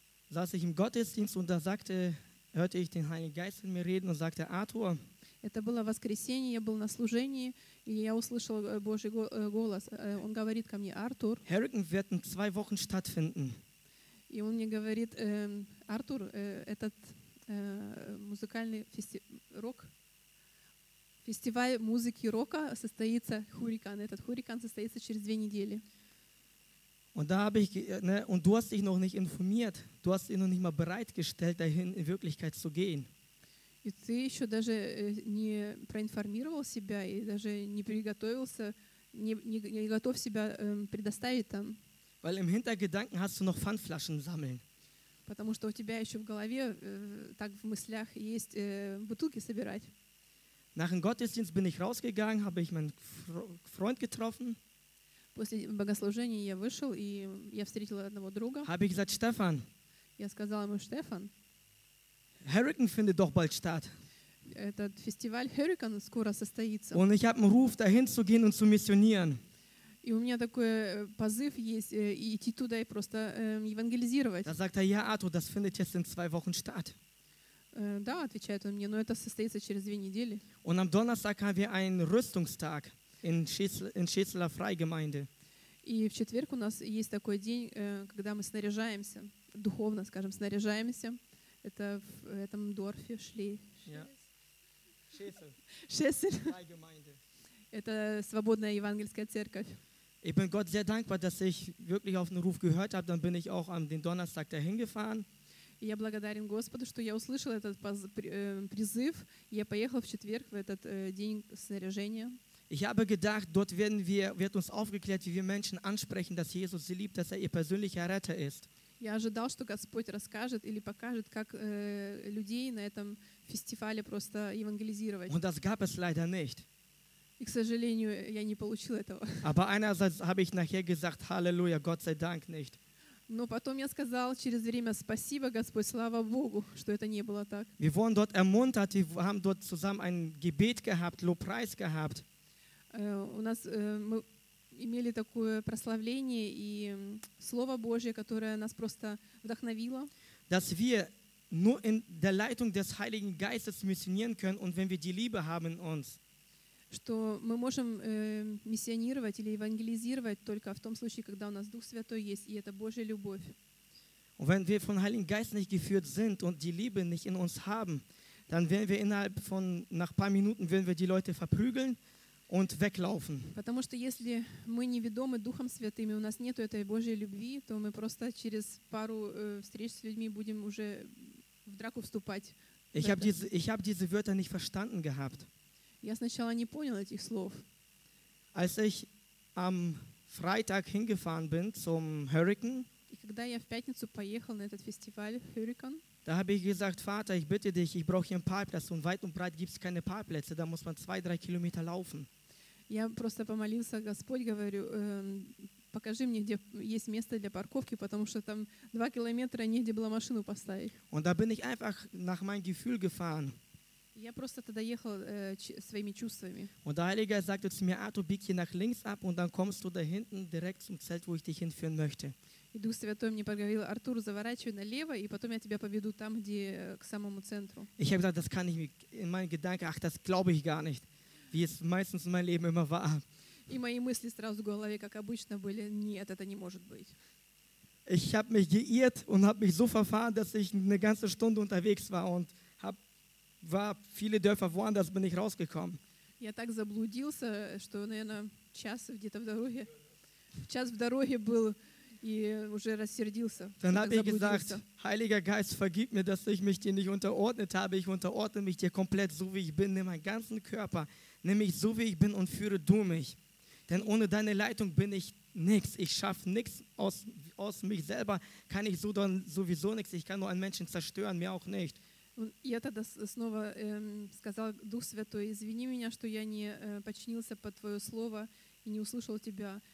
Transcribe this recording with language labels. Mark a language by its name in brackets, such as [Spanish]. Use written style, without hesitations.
[German] Saß ich im Gottesdienst und da sagte, hörte ich den Heiligen Geist in mir reden und sagte: Arthur. [Russian] Это было воскресенье. Я был на служении и я услышал Божий голос. Он говорит ко мне: Артур. [German] Herrücken wird in 2 Wochen stattfinden. [Russian] И он мне говорит: Артур, этот музыкальный фестиваль музыки рока состоится, Хурикан. Этот Хурикан состоится через 2 недели. [German] Und da habe ich, ne, und du hast dich noch nicht informiert. Du hast ihn noch nicht mal bereitgestellt, dahin in Wirklichkeit zu gehen. [Russian] И ты еще даже не проинформировал себя и даже не приготовился, не готов себя предоставить там. [German] Weil im Hintergedanken hast du noch Pfandflaschen sammeln. [Russian] Потому что у тебя еще в голове так в мыслях есть бутылки собирать. [German] Nach dem Gottesdienst bin ich rausgegangen, habe ich meinen Freund getroffen. [Russian] После богослужения я вышел и я встретил одного друга. [German] Habe ich gesagt: Stefan. [Russian] Я сказал ему: Stefan. [German] Hurricane findet doch bald statt. [Russian] Этот фестиваль Hurricane скоро состоится. [German] Und ich habe einen Ruf, dahin zu gehen und zu missionieren. [Russian] И у меня такой позыв есть идти туда и просто евангелизировать. [German] Da sagt er: Ja, Arthur, das findet jetzt in 2 Wochen statt. [Russian] Да, отвечает он мне, но это состоится через 2 недели. [German] Und am Donnerstag haben wir einen Rüstungstag in Schießler Freigemeinde. [Russian] И в четверг у нас есть такой день, когда мы снаряжаемся, духовно, скажем, снаряжаемся. Это в этом Дорфе шли. [German] Schießler. [Russian] Это свободная евангельская церковь. [German] Ich bin Gott sehr dankbar, dass ich wirklich auf den Ruf gehört habe, dann bin ich auch am den Donnerstag dahin gefahren. [Russian] Я благодарен Господу, что я услышал этот призыв. Я поехал в четверг в этот день снаряжения. [German] Ich habe gedacht, dort werden wir wird uns aufgeklärt, wie wir Menschen ansprechen, dass Jesus sie liebt, dass er ihr persönlicher Retter ist. [Russian] Я ожидал, что Господь расскажет или покажет, как людей на этом фестивале просто евангелизировать. [German] Und das gab es leider nicht. [Russian] И, к сожалению, я не получил этого. [German] Aber einerseits habe ich nachher gesagt: Halleluja, Gott sei Dank nicht. [Russian] Но потом я сказал через время: спасибо, Господь, слава Богу, что это не было так. [German] Wir wurden dort ermuntert, wir haben dort zusammen ein Gebet gehabt, Lobpreis gehabt. [Russian] У нас мы имели такое прославление и слово Божье, которое нас просто вдохновило. [German] Dass wir nur in der Leitung des Heiligen Geistes missionieren können und wenn wir die Liebe haben in uns. [Russian] Что мы можем миссионировать или евангелизировать только в том случае, когда у нас Дух Святой есть, и это Божья любовь. [German] Wenn wir von Heiligen Geist nicht geführt sind und die Liebe nicht in uns haben, dann werden wir innerhalb von nach paar Minuten werden wir die Leute verprügeln und weglaufen. [Russian] Потому что если мы не ведомы Духом Святым, у нас нету этой Божьей любви, то мы просто через пару встреч с людьми будем уже в драку вступать. [German] Ich habe diese Wörter nicht verstanden gehabt. [Russian] Я сначала не понял этих слов. [German] Als ich am Freitag hingefahren bin zum Hurricane, [Russian] и когда я в пятницу поехал на этот фестиваль Hurricane, [German] da habe ich gesagt: Vater, ich bitte dich, ich brauche hier einen Parkplatz und weit und breit gibt es keine Parkplätze, da muss man 2-3 Kilometer laufen. [Russian] Я просто помолился: Господь, говорю, Покажи мне, где есть место для парковки, потому что там 2 километра негде было машину поставить. [German] Und da bin ich einfach nach meinem Gefühl gefahren. [Russian] Я просто тогда ехал своими чувствами. [German] Und der Heilige Geist sagte zu mir, du bieg hier nach links ab und dann kommst du da hinten direkt zum Zelt, wo ich dich hinführen möchte. [Russian] И Дух Святой мне проговорил, Артур, заворачивай налево, и потом я тебя поведу там, где к самому центру. [German] Ich habe gesagt, das kann ich in meinen Gedanken, das glaube ich gar nicht, wie es meistens in meinem Leben immer war. [Russian] И мои мысли сразу в голове, как обычно, были, нет, это не может быть. [German] Ich habe mich geirrt und habe mich so verfahren, dass ich eine ganze Stunde unterwegs war und war viele Dörfer woanders, bin ich rausgekommen. [Russian] Я так заблудился, что, наверное, час где-то в дороге, час в дороге был и уже рассердился. [German] Dann habe ich gesagt, Heiliger Geist, vergib mir, dass ich mich dir nicht unterordnet habe. Ich unterordne mich dir komplett, so wie ich bin, in meinem ganzen Körper. Nämlich so wie ich bin und führe du mich. Denn ohne deine Leitung bin ich nichts. Ich schaffe nichts aus mich selber. Kann ich so dann sowieso nichts. Ich kann nur einen Menschen zerstören, mir auch nicht. [Russian] Und я тогда снова сказал, Дух Святой, извини меня, что я не подчинился под твое слово и не услышал тебя.